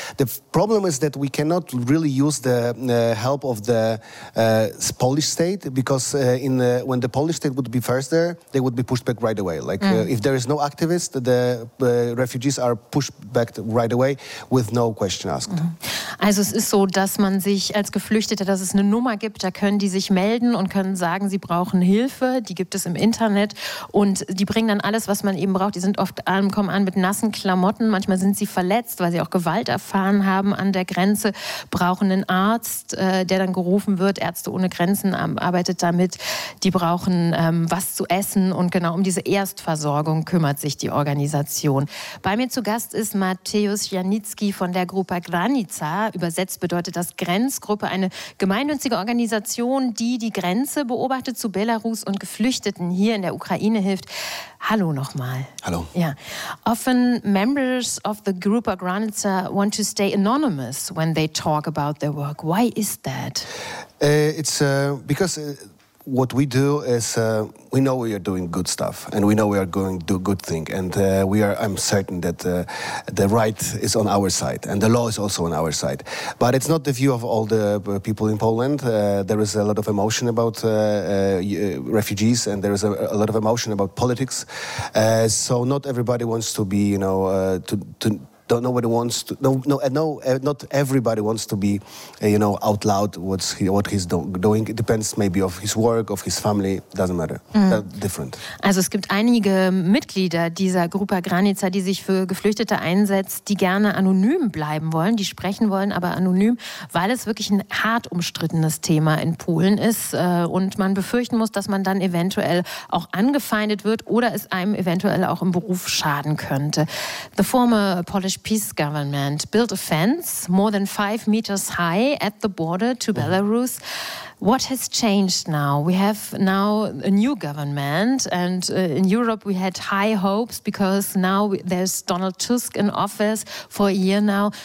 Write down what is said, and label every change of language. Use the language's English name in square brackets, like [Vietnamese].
[English] The problem is that we cannot really use the help of the Polish state, because when the Polish state would be first there, they would be pushed back right away. Like if there is no activist, the refugees are pushed back right away with no question asked. [German] Also es ist so, dass man sich als Geflüchteter, dass es eine Nummer gibt, da können die sich melden und können sagen, sie brauchen Hilfe, die gibt es im Internet und die bringen dann alles, was man eben braucht. Die sind oft kommen an mit nassen Klamotten, manchmal sind sie verletzt, weil sie auch Gewalt erfahren haben an der Grenze, brauchen einen Arzt, der dann gerufen wird. Ärzte ohne Grenzen arbeitet damit. Die brauchen was zu essen und genau um diese Erstversorgung kümmert sich die Organisation. Bei mir zu Gast ist Mateusz Janicki von der Grupa Granica. Übersetzt bedeutet das Grenzgruppe, eine gemeinnützige Organisation, die Grenze beobachtet zu Belarus und Geflüchteten hier in der Ukraine hilft. Hallo nochmal. Hallo. [English] Yeah. Often members of the Grupa Granica want to stay anonymous when they talk about their work. Why is that? It's because what we do is we know we are doing good stuff, and we know we are going to do good thing, and we are. I'm certain that the right is on our side, and the law is also on our side. But it's not the view of all the people in Poland. There is a lot of emotion about refugees, and there is a lot of emotion about politics. So not everybody wants to be, you know, not everybody wants to be, you know, out loud what he's doing. It depends maybe of his work, of his family, doesn't matter. Mm. Different. [German] Also es gibt einige Mitglieder dieser Grupa Granica, die sich für Geflüchtete einsetzt, die gerne anonym bleiben wollen, die sprechen wollen, aber anonym, weil es wirklich ein hart umstrittenes Thema in Polen ist und man befürchten muss, dass man dann eventuell auch angefeindet wird oder es einem eventuell auch im Beruf schaden könnte. [English] The former Polish peace government built a fence more than 5 meters high at the border to Belarus. What has changed now? We have now a new government, and in Europe we had high hopes because now there's Donald Tusk in office for a year now.